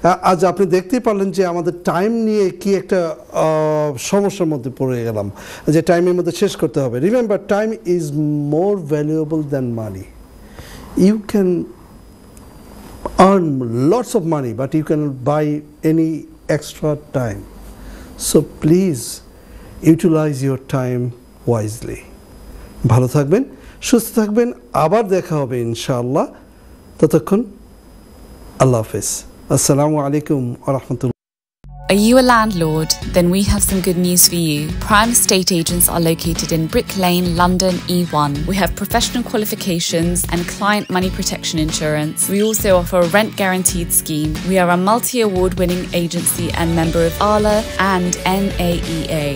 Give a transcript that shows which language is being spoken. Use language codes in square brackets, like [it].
[bn] আজ আপনি দেখতেই পারলেন যে আমাদের টাইম নিয়ে কি একটা সমস্যার মধ্যে পড়ে গেলাম যে টাইমের মধ্যে শেষ করতে হবে। [en] Remember, time is more valuable than money, you can earn lots of money, but you cannot buy any extra time. So please utilize your time wisely. [bn] ভালো থাকবেন, সুস্থ থাকবেন, আবার দেখা হবে ইনশাআল্লাহ। ততক্ষণ আল্লাহ হাফেজ, আসসালামু আলাইকুম ওয়া রাহমাতুল্লাহ। [en] Are you a landlord? Then we have some good news for you. Prime Estate Agents are located in Brick Lane, London, E1. We have professional qualifications and client money protection insurance. We also offer a rent guaranteed scheme. We are a multi-award winning agency and member of ALA and NAEA.